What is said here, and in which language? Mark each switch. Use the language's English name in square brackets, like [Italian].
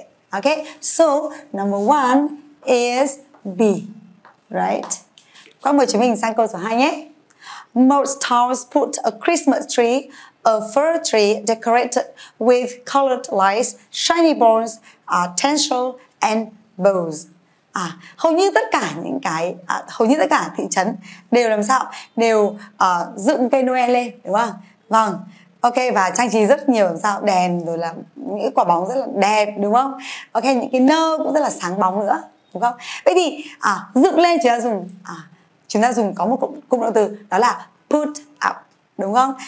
[English] Ok, so number one is be, right? [Vietnamese] Qua mời chúng mình sang câu số 2 nhé. [English] Most towns put a Christmas tree, a fir tree decorated with colored lights, shiny bones, tinsel and bows. [Vietnamese] À, hầu như tất cả những cái hầu như tất cả thị trấn đều làm sao? Đều dựng cây Noel lên, đúng không? Vâng. Ok, và trang trí rất nhiều làm sao? Đèn rồi là những quả bóng rất là đẹp, đúng không? Ok, những cái nơ cũng rất là sáng bóng nữa, đúng không? Vậy thì dựng lên chúng ta dùng chúng ta dùng có một cụm động từ, đó là put up, đúng không?